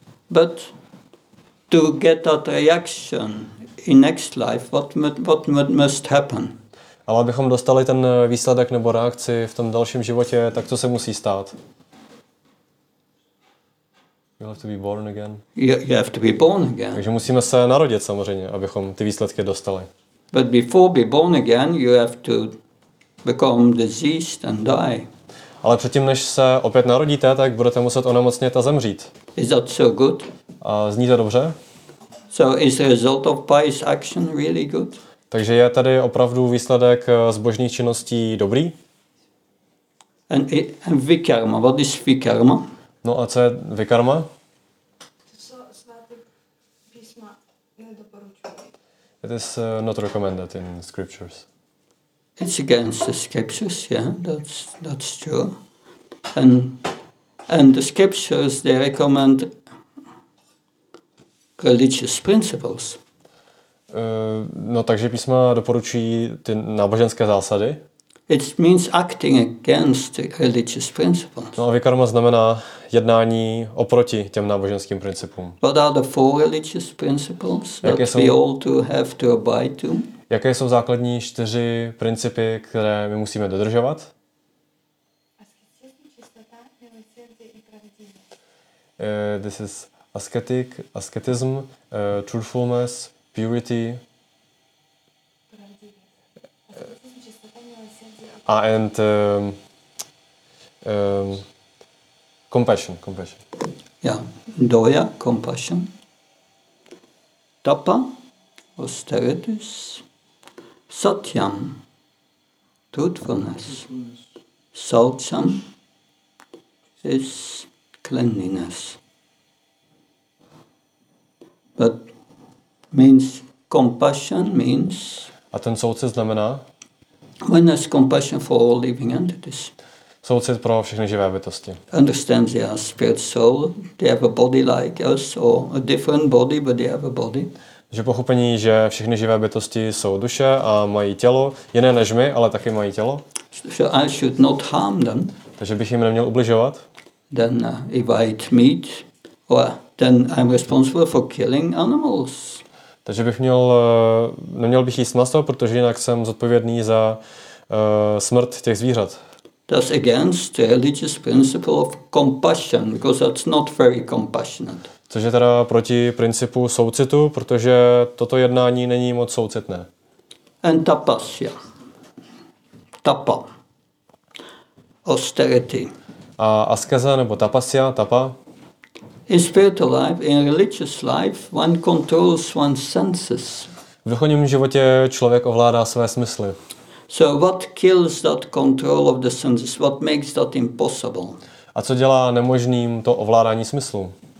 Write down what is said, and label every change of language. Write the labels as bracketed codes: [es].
[en] But to get that reaction in next life, what must happen? [cs] Ale abychom dostali ten výsledek nebo reakci v tom dalším životě, tak co se musí stát? [en] You have to be born again. You have to be born again. [cs] Takže musíme se narodit samozřejmě, abychom ty výsledky dostali. [en] But before be born again, you have to become diseased and die. [cs] Ale předtím, než se opět narodíte, tak budete muset onemocnit a zemřít. [en] Is that so good? [cs] A zní to dobře? [en] So is the result of pious action really good? [cs] Takže je tady opravdu výsledek zbožných činností dobrý? [en] And vikarma, what is vikarma? [cs] No a co je vikarma? [en] It is not recommended in scriptures. It's against the scriptures, yeah, that's true. And the scriptures, they recommend religious principles. [cs] No, takže písma doporučují ty náboženské zásady. [en] It means acting against religious principles. [cs] No a vikarma znamená jednání oproti těm náboženským principům. [en] What are the four religious principles that we all to have to abide to? [cs] Jaké jsou základní čtyři principy, které my musíme dodržovat? [en] This is asceticism, truthfulness, purity. And compassion. Yeah, doya, compassion. Tapa, austerity. Satyam, truthfulness. Salcham is cleanliness. But means compassion means. [cs] A ten soucit znamená? [en] When there's compassion for all living entities. [cs] Soucit pro všechny živé bytosti. [en] Understand they are spirit soul. They have a body like us or a different body, but they have a body. [cs] Že pochopení, že všechny živé bytosti jsou duše a mají tělo, jiné než my, ale taky mají tělo. [en] So I should not harm them. [cs] Takže bych jim neměl ubližovat. [en] Then if I eat meat, well, then I'm responsible for killing animals. [cs] Takže bych měl, neměl bych jíst maso, protože jinak jsem zodpovědný za smrt těch zvířat. [en] That's against the religious principle of compassion, because that's not very compassionate. [cs] Což je teda proti principu soucitu, protože toto jednání není moc soucitné. [en] And tapas, yeah. Tapa. Austerity. [cs] A askeze nebo tapasya, tapa? [en] In spiritual life, in religious life, one controls one's senses. [cs] V duchovním životě člověk ovládá své smysly. [en] So what kills that control of the senses? What makes that impossible? [cs] A co dělá nemožným to ovládání smyslu?